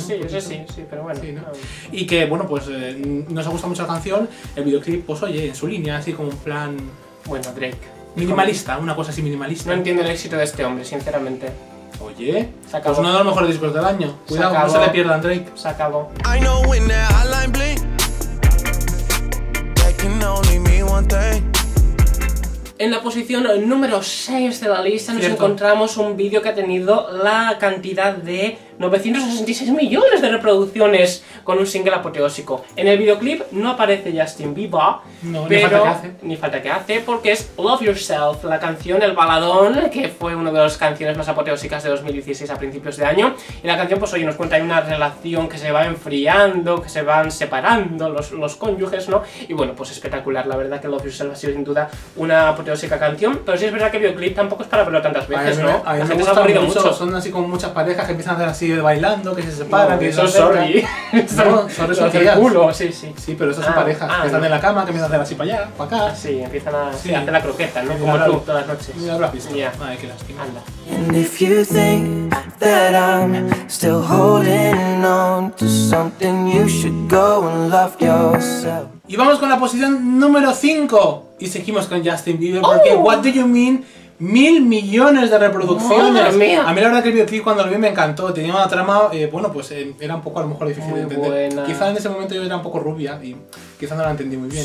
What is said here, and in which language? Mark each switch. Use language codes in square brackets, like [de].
[es] Sí, sí, pero bueno. Y que, bueno, pues nos ha gustado mucho la canción. El videoclip, pues oye, en su línea, así como un plan... Bueno, Drake. Minimalista, una cosa así minimalista. No entiendo el éxito de este hombre, sinceramente. Oye, se acabó. Pues uno de los mejores discos del año. Cuidado, no se le pierdan, Drake. Se acabó. [en] I know when the hotline bling, that can only mean one thing. [es] En la posición número 6 de la lista, cierto, nos encontramos un vídeo que ha tenido la cantidad de 966 millones de reproducciones con un single apoteósico. En el videoclip no aparece Justin Bieber, no, pero ni falta que hace, porque es Love Yourself, la canción, el baladón, que fue una de las canciones más apoteósicas de 2016 a principios de año. Y la canción, pues oye, nos cuenta, hay una relación que se va enfriando, que se van separando los cónyuges, ¿no? Y bueno, pues espectacular, la verdad que Love Yourself ha sido sin duda una apoteósica canción, pero sí es verdad que el videoclip tampoco es para verlo tantas veces, ¿no? A mí me gusta mucho, son así como muchas parejas que empiezan a hacer así bailando, que se separan, no, que eso es sorry. No, son el culo, sí, sí. Sí, pero esas son parejas que están en la cama, que empiezan a hacer así para allá, para acá. Sí, empiezan a hacer la croqueta, ¿no? Como tú, todas las noches. Mira, lo has visto. Ay, qué lástima. Anda. [en] And if you think that I'm still holding on to something, you should go and love yourself. [es] Y vamos con la posición número 5. Y seguimos con Justin Bieber, porque What Do You Mean 1.000 millones de reproducciones. ¡Madre mía! A mí la verdad que el videoclip cuando lo vi me encantó. Tenía una trama, bueno, pues era un poco a lo mejor difícil muy de entender. Buena. Quizá en ese momento yo era un poco rubia y quizá no la entendí muy bien,